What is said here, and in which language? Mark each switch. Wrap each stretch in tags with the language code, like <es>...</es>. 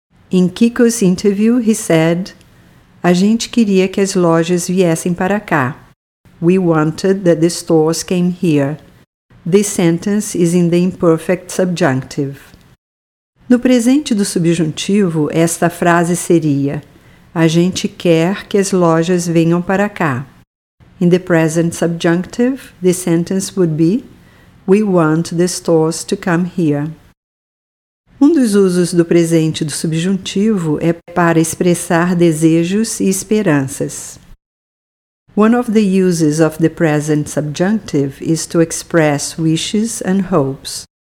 <en>In Kiko's interview, he said,</en> <pt>a gente queria que as lojas viessem para cá.</pt> <en>We wanted that the stores came here. This sentence is in the imperfect subjunctive.</en> <pt>No presente do subjuntivo, esta frase seria: a gente quer que as lojas venham para cá.</pt> <en>In the present subjunctive, the sentence would be: we want the stores to come here.</en> <pt>Um dos usos do presente do subjuntivo é para expressar desejos e esperanças.</pt> <en>One of the uses of the present subjunctive is to express wishes and hopes.</en>